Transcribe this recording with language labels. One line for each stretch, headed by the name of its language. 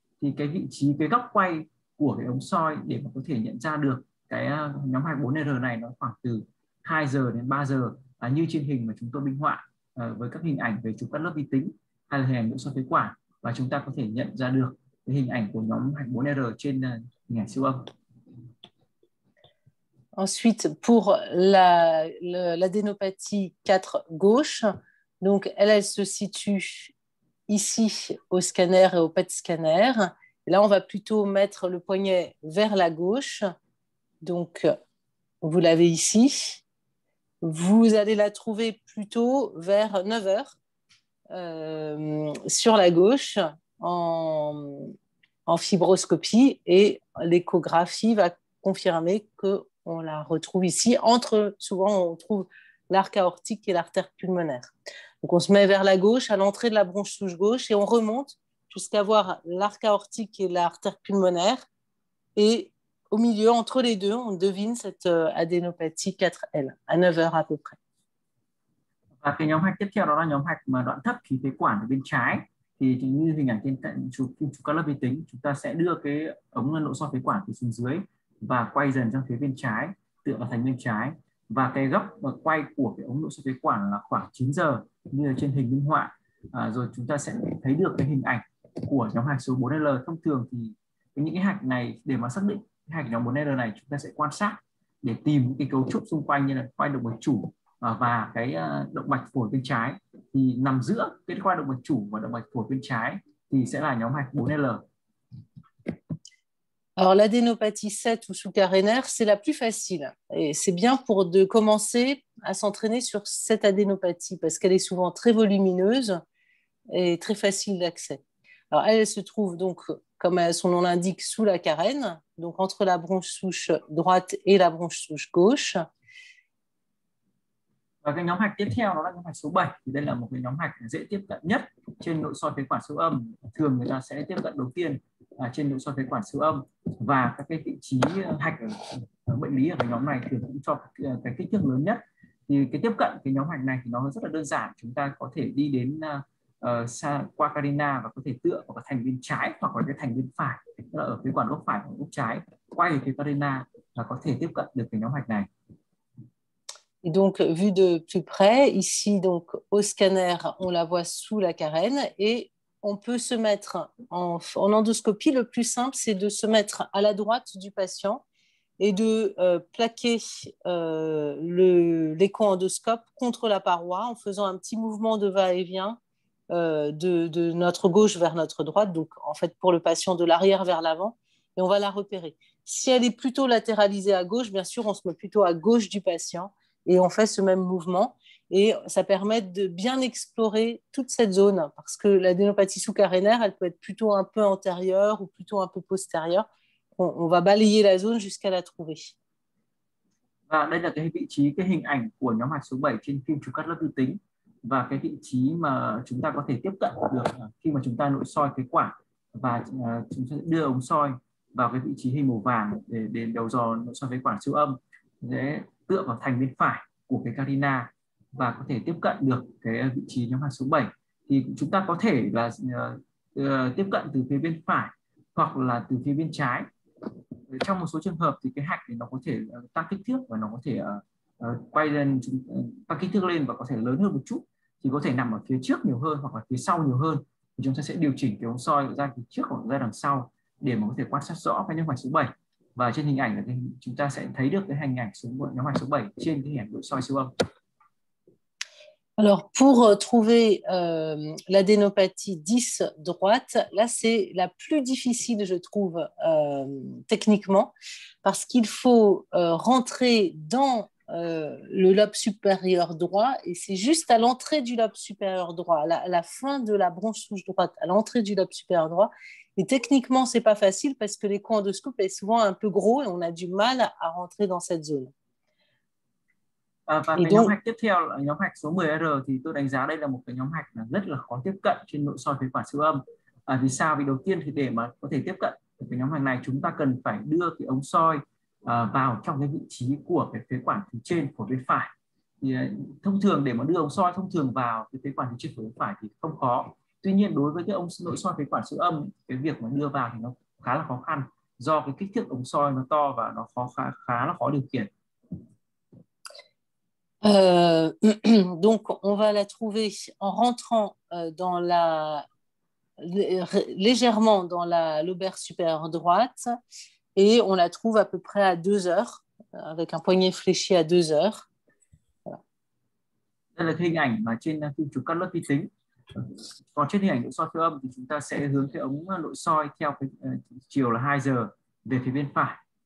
Vietnamese: Thì cái vị trí, cái góc quay của cái ống soi để mà có thể nhận ra được cái nhóm hạch 4R này nó khoảng từ 2 giờ đến 3 giờ. À, như trên hình mà chúng tôi minh họa với các hình ảnh về chụp cắt lớp vi tính hay là hình ảnh nội soi phế quản, và chúng ta có thể nhận ra được cái hình ảnh của nhóm hạch 4R trên hình ảnh siêu âm.
French: Ensuite, pour l'adénopathie 4 gauche, donc elle se situe ici au scanner et au PET scanner. Et là, on va plutôt mettre le poignet vers la gauche. Donc, vous l'avez ici. Vous allez la trouver plutôt vers 9h sur la gauche en fibroscopie, et l'échographie va confirmer qu'on la retrouve ici. Souvent, on trouve l'arc aortique et l'artère pulmonaire. Donc, on se met vers la gauche à l'entrée de la branche souche gauche et on remonte jusqu'à voir l'arc aortique et l'artère pulmonaire. Et au milieu, entre les deux, on devine cette adénopathie 4L à 9h à peu près.
Vietnamese: Và cái nhóm hạch tiếp theo đó là nhóm hạch mà đoạn thấp khí phế quản ở bên trái. Thì như hình ảnh trên chụp các lớp vi tính, chúng ta sẽ đưa cái ống nội soi phế quản từ xuống dưới và quay dần sang phía bên trái, tựa vào thành bên trái. Và cái góc và quay của cái ống nội soi phế quản là khoảng 9 giờ như trên hình minh họa. Rồi chúng ta sẽ thấy được cái hình ảnh của nhóm hạch số 4L. Thông thường thì những cái hạch này để mà xác định hạch nhóm 4L này, chúng ta sẽ quan sát để tìm cái cấu trúc xung quanh như là khoai động mạch chủ và cái động mạch phổi bên trái, thì nằm giữa cái khoai động mạch chủ và động mạch phổi bên trái thì sẽ là nhóm hạch 4L.
French: Alors l'adénopathie 7 ou sous-carénaire, c'est la plus facile et c'est bien pour de commencer à s'entraîner sur cette adénopathie parce qu'elle est souvent très volumineuse et très facile d'accès. Alors elle se trouve donc, comme son nom l'indique, sous la carène, donc entre la branche souche droite et la branche souche gauche.
Vietnamese: Và cái nhóm hạch tiếp theo đó là nhóm hạch số 7. Thì đây là một cái nhóm hạch dễ tiếp cận nhất trên nội soi phế quản siêu âm. Thường người ta sẽ tiếp cận đầu tiên trên nội soi phế quản siêu âm. Và các cái vị trí hạch bệnh lý ở cái nhóm này thì cũng cho cái kích thước lớn nhất. Thì cái tiếp cận cái nhóm hạch này thì nó rất là đơn giản. Chúng ta có thể đi đến qua carina và có thể tựa vào cái thành bên trái hoặc là cái thành bên phải, tức là ở phế quản gốc phải hoặc gốc trái, quay về phía carina và có thể tiếp cận được cái nhóm hạch này.
French: Et donc, vu de plus près, ici, donc, au scanner, on la voit sous la carène et on peut se mettre en endoscopie. Le plus simple, c'est de se mettre à la droite du patient et de plaquer l'écho-endoscope contre la paroi en faisant un petit mouvement de va-et-vient de notre gauche vers notre droite. Donc, en fait, pour le patient, de l'arrière vers l'avant, et on va la repérer. Si elle est plutôt latéralisée à gauche, bien sûr, on se met plutôt à gauche du patient. Et on fait ce même mouvement et ça permet de bien explorer toute cette zone parce que l'adénopathie sous-carénaire, elle peut être plutôt un peu antérieure ou plutôt un peu postérieure. On va balayer la zone jusqu'à la trouver.
Vietnamese: Và đây là cái vị trí, cái hình ảnh của nhóm hạch số 7 trên phim chụp cắt lớp vi tính, và cái vị trí mà chúng ta có thể tiếp cận được khi mà chúng ta nội soi phế quản và chúng ta đưa ống soi vào cái vị trí hình màu vàng để đến đầu dò nội soi phế quản siêu âm. Thế tựa vào thành bên phải của cái carina và có thể tiếp cận được cái vị trí nhóm hạch số 7. Thì chúng ta có thể là tiếp cận từ phía bên phải hoặc là từ phía bên trái. Trong một số trường hợp thì cái hạch thì nó có thể tăng kích thước và nó có thể quay lên, tăng kích thước lên và có thể lớn hơn một chút, thì có thể nằm ở phía trước nhiều hơn hoặc là phía sau nhiều hơn. chúng ta sẽ điều chỉnh cái ống soi ra phía trước hoặc ra đằng sau để mà có thể quan sát rõ cái nhóm hoạch số 7. Và trên hình ảnh là chúng ta sẽ thấy được cái hình ảnh số nhóm hoạch số 7 trên cái hình ảnh nội soi siêu âm.
French: Alors, pour trouver l'adénopathie 10 droite, là, c'est la plus difficile, je trouve, techniquement, parce qu'il faut rentrer dans le lobe supérieur droit, et c'est juste à l'entrée du lobe supérieur droit, à la fin de la branche souche droite, à l'entrée du lobe supérieur droit. Et techniquement, ce n'est pas facile parce que l'écho endoscope est souvent un peu gros et on a du mal à rentrer dans cette zone.
Vietnamese: Và cái nhóm hạch tiếp theo là nhóm hạch số 10R thì tôi đánh giá đây là một cái nhóm hạch rất là khó tiếp cận trên nội soi phế quản siêu âm. Vì sao? Vì đầu tiên thì để mà có thể tiếp cận cái nhóm hạch này chúng ta cần phải đưa cái ống soi vào trong cái vị trí của cái phế quản phía trên của bên phải. Thì thông thường để mà đưa ống soi thông thường vào cái phế quản phía trên của bên phải thì không khó. Tuy nhiên đối với cái ống nội soi phế quản siêu âm, cái việc mà đưa vào thì nó khá là khó khăn do cái kích thước ống soi nó to và nó khá là khó điều khiển.
French: Donc, on va la trouver en rentrant dans la légèrement dans la lobaire supérieure droite et on la trouve à peu près à 2 heures avec un poignet fléchi à 2 heures. Voilà.
Vietnamese: Đây là hình ảnh mà trên phim chụp cắt lớp vi tính. Còn trên hình ảnh nội soi siêu âm thì chúng ta sẽ hướng cái ống nội soi theo cái chiều là 2 giờ về phía bên phải.